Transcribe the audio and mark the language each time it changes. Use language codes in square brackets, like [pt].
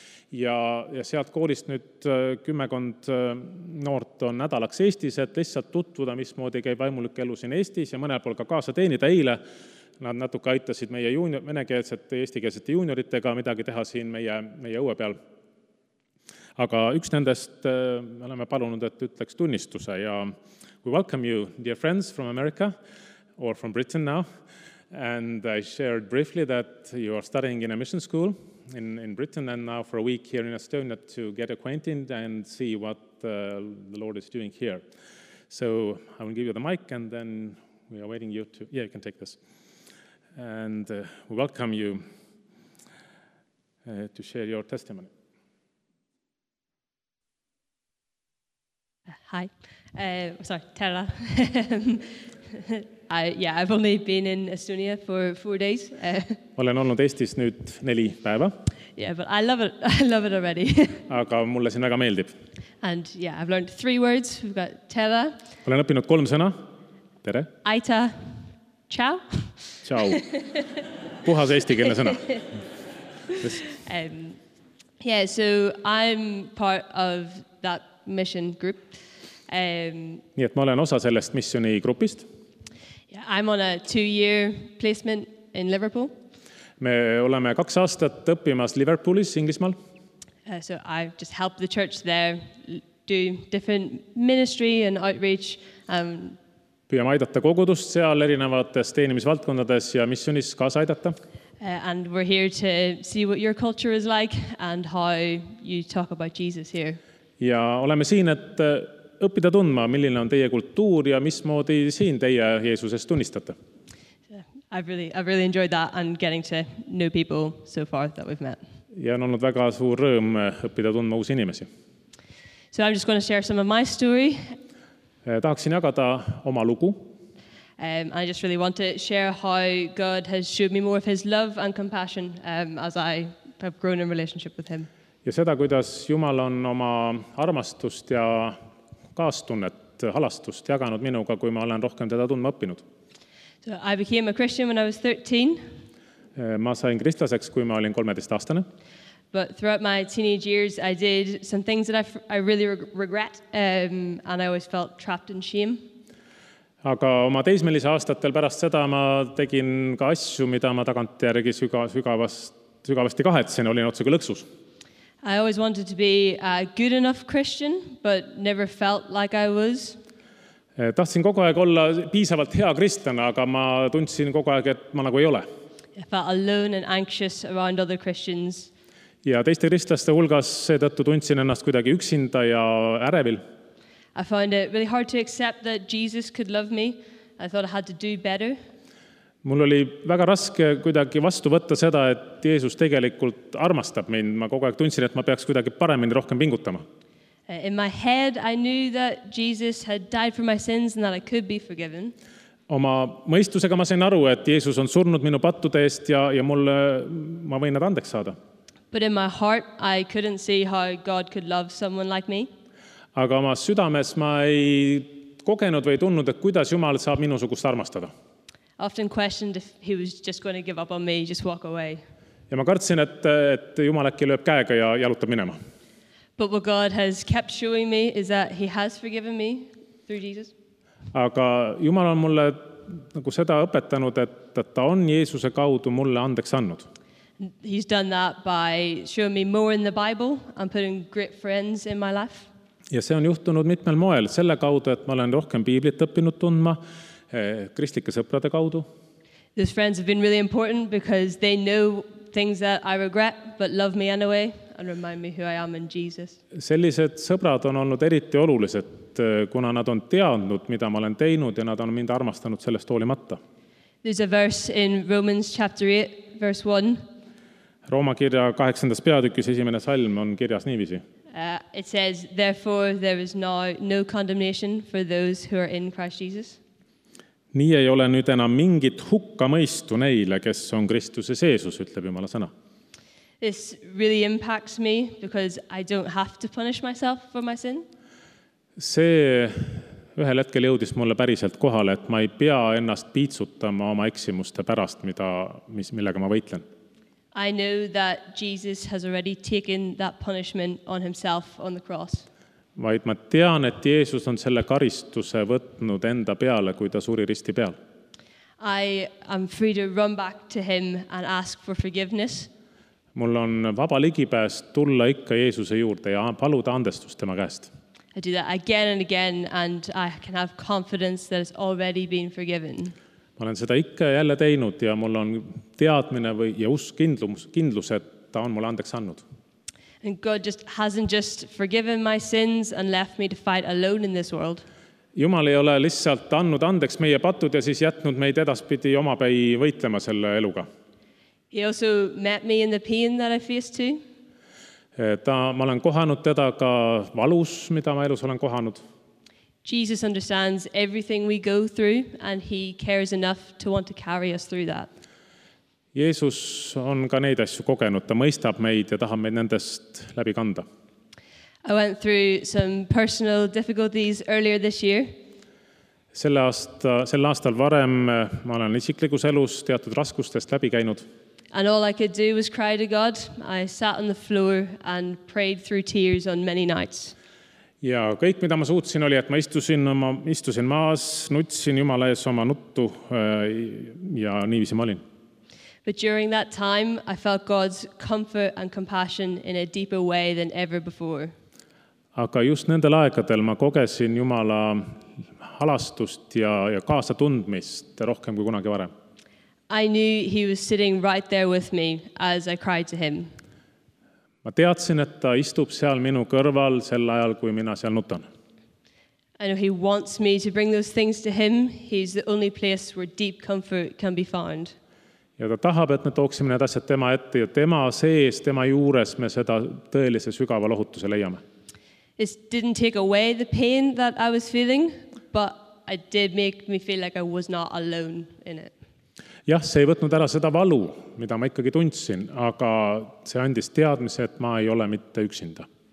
[et] Ja sealt koolist nüüd kümmekond noort on nädalaks Eestis, et lihtsalt tutvuda, mis moodi käib vaimulik elu siin Eestis ja mõnel pool ka kaasa teenida. Eile nad natuke aitasid meie venekeelsete ja eestikeelsete juunioritega midagi teha siin meie õue peal. Aga üks nendest me oleme palunud, et ütleks tunnistuse. [en] Ja we welcome you, dear friends from America or from Britain now. And I shared briefly that you are studying in a mission school in Britain and now for a week here in Estonia to get acquainted and see what the Lord is doing here. So I will give you the mic and then we are waiting you to... Yeah, you can take this. And we welcome you to share your testimony. Hi. Sorry, Tara. I've only been in Estonia for 4 days. [et] Olen olnud Eestis nüüd 4 päeva. [en] Yeah, but I love it already. [et] Aga mulle siin väga meeldib. [en] And yeah, I've learned 3 words. We've got tere. [et] Olen õppinud 3 sõna. Tere. Aita. Ciao. Ciao. Puhas eestikeelne sõna. [en] Yeah, so I'm part of that mission group. [et] Nii et ma olen osa sellest missioni grupist. [en] I'm on a 2-year placement in Liverpool. [et] Me oleme 2 aastat õppimas Liverpoolis, Inglismaal. [en] So I just help the church there do different ministry and outreach. [et] Püüame aidata kogudust seal erinevates teenimisvaldkondades ja missioonis kaasa aidata. [en] And we're here to see what your culture is like and how you talk about Jesus here. [et] Ja oleme siin, et õppida tundma, milline on teie kultuur ja mis moodi siin teie Jeesusest tunnistate. [en] I've really enjoyed that and getting to know people so far that we've met. [et] Ja on olnud väga suur rõõm õppida tundma uusi inimesi. [en] So I'm just going to share some of my story. [et] Tahaksin jagada oma lugu. [en] I just really want to share how God has showed me more of his love and compassion as I have grown in relationship with him. [et] Ja seda, kuidas Jumal on oma armastust ja kaastunnet, halastust jaganud minuga, kui ma olen rohkem teda tundma õppinud. [en] So I became a Christian when I was 13. [et] Ma sain kristlaseks, kui ma olin 13-aastane. [en] But throughout my teenage years, I did some things that I really regret, and I always felt trapped in shame. [et] Aga oma teismelise aastatel pärast seda ma tegin ka asju, mida ma tagantjärgi sügavasti kahetsin, olin otsega lõksus. [en] I always wanted to be a good enough Christian, but never felt like I was. [et] Tahtsin kogu aeg olla piisavalt hea kristlan, aga ma tundsin kogu aeg, et ma nagu ei ole. [en] I felt alone and anxious around other Christians. [et] Ja teiste kristlaste hulgas seetõttu tundsin ennast kuidagi üksinda ja ärevil. [en] I found it really hard to accept that Jesus could love me. I thought I had to do better. [et] Mul oli väga raske kuidagi vastu võtta seda, et Jeesus tegelikult armastab mind. Ma kogu aeg tundsin, et ma peaks kuidagi paremini rohkem pingutama. [en] In my head I knew that Jesus had died for my sins and that I could be forgiven. [et] Oma mõistusega ma sain aru, et Jeesus on surnud minu pattude eest ja mulle ma võin nad andeks saada. [en] But in my heart I couldn't see how God could love someone like me. [et] Aga oma südames ma ei kogenud või tunnud, et kuidas Jumal saab minusugust armastada. [en] Often questioned if he was just going to give up on me, just walk away. [et] Ja ma kartsin, et Jumal äkki lööb käega ja jalutab minema. [en] But what God has kept showing me is that he has forgiven me through Jesus. [et] Aga Jumal on mulle nagu seda õpetanud, et ta on Jeesuse kaudu mulle andeks annud. [en] He's done that by showing me more in the Bible and putting great friends in my life. [et] Ja see on juhtunud mitmel moel. Selle kaudu, et ma olen rohkem piiblit õppinud tundma, kristlike sõprade kaudu. [en] Those friends have been really important because they know things that I regret, but love me anyway and remind me who I am in Jesus. [et] Sellised sõbrad on olnud eriti olulised, kuna nad on teadnud, mida ma olen teinud ja nad on mind armastanud sellest hoolimata. [en] There's a verse in Romans chapter 8, verse 1. [et] Rooma kirja 8. peatükis esimene salm on kirjas niivisi. [en] It says, therefore there is now no condemnation for those who are in Christ Jesus. [et] Nii ei ole nüüd enam mingit hukka mõistu neile, kes on Kristuses Jeesus, ütleb Jumala sõna. [en] This really impacts me because I don't have to punish myself for my sin. [et] See ühel hetkel jõudis mulle päriselt kohale, et ma ei pea ennast piitsutama oma eksimuste pärast, millega ma võitlen. [en] I know that Jesus has already taken that punishment on himself on the cross. [et] Vaid ma tean, et Jeesus on selle karistuse võtnud enda peale, kui ta suri risti peal. [en] I am free to run back to him and ask for forgiveness. [et] Mul on vaba ligipääs tulla ikka Jeesuse juurde ja paluda andestust tema käest. [en] I do that again and again and I can have confidence that it's already been forgiven. [et] Ma olen seda ikka jälle teinud ja mul on teadmine või ja usk kindlus, et ta on mulle andeks annud. [en] And God just hasn't just forgiven my sins and left me to fight alone in this world. [et] Jumal ei ole lihtsalt annud andeks meie patud ja siis jätnud meid edaspidi omapäi võitlema selle eluga. [en] He also met me in the pain that I faced too. [et] Ma olen kohanud teda ka valus, mida ma elus olen kohanud. [en] Jesus understands everything we go through and he cares enough to want to carry us through that. [et] Jeesus on ka neid asju kogenud, ta mõistab meid ja tahab meid nendest läbi kanda. [en] I went through some personal difficulties earlier this year. [et] Selle aastal varem ma olen isiklikus elus teatud raskustest läbi käinud. [en] And all I could do was cry to God. I sat on the floor and prayed through tears on many nights. [et] Ja kõik, mida ma suutsin, oli, et ma istusin maas, nutsin Jumala ees oma nuttu ja niiviisi ma olin. [en] But during that time, I felt God's comfort and compassion in a deeper way than ever before. [et] Aga just nendel aegadel ma kogesin Jumala halastust ja kaasa tundmist rohkem kui kunagi varem. [en] I knew he was sitting right there with me as I cried to him. [et] Ma teadsin, et ta istub seal minu kõrval sel ajal, kui mina seal nutan. [en] I know he wants me to bring those things to him. He's the only place where deep comfort can be found. [et] Ja ta tahab, et me tooksime need asjad tema ette ja tema sees, tema juures me seda tõelise sügava lohutuse leiame. [en] It didn't take away the pain that I was feeling, but it did make me feel like I was not alone in it. [et] Jah, see ei võtnud ära seda valu, mida ma ikkagi tundsin, aga see andis teadmise, et ma ei ole mitte üksinda.